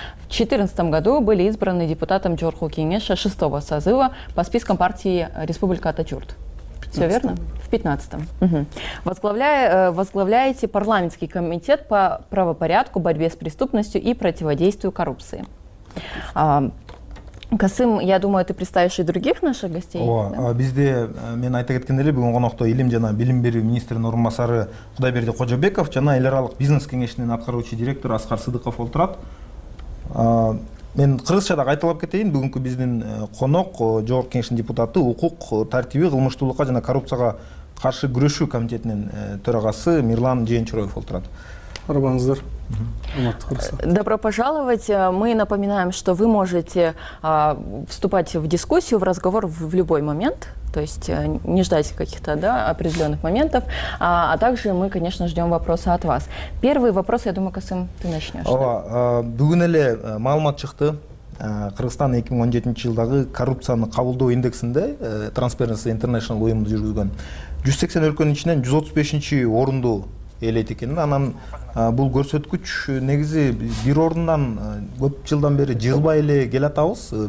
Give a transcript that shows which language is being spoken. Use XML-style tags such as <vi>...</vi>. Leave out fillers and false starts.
<ru>В 2014 году были избраны депутатом Жогорку Кеңеши 6-го созыва по спискам партии Республика Атачурт. Все верно? В 15-м. Возглавляете парламентский комитет по правопорядку, борьбе с преступностью и противодействию коррупции. Касым, я думаю, ты представишь и других наших гостей. О, да?</ru> <ky>Бизде мен айта кеткенде эле бүгүн конокто илим жана билим берүү министринин орун басары Кудайберди Кожобеков жана эл аралык бизнес кеңешинин аткаруучу директору Аскар Сыдыков отурат. Мен кыргызча да кайталап кетейин, бүгүнкү биздин конок Жогорку кеңештин депутаты, укук тартиби, кылмыштуулукка жана коррупцияга каршы күрөшүү комитетинин төрагасы Мирлан Жээнчороев отурат. Арбаңыздар.</ky> <ru>Добро пожаловать. Мы напоминаем, что вы можете вступать в дискуссию, в разговор в любой момент. То есть не ждать каких-то, да, определенных моментов. А также мы, конечно, ждем вопросы от вас. Первый вопрос, я думаю, Касым, ты начнешь.</ru> <ky>Ова, бүгүн эле маалымат чыкты. Кыргызстан 2017 жылдагы коррупцияны кабылдоо индексинде Transparency International уюму жүргүзгөн 180 өлкөнүн ичинен 135-чи орунду ээлейт экен. Анан бул көрсөткүч негизи бир орундан көп жылдан бери жылбай эле келатабыз.</ky>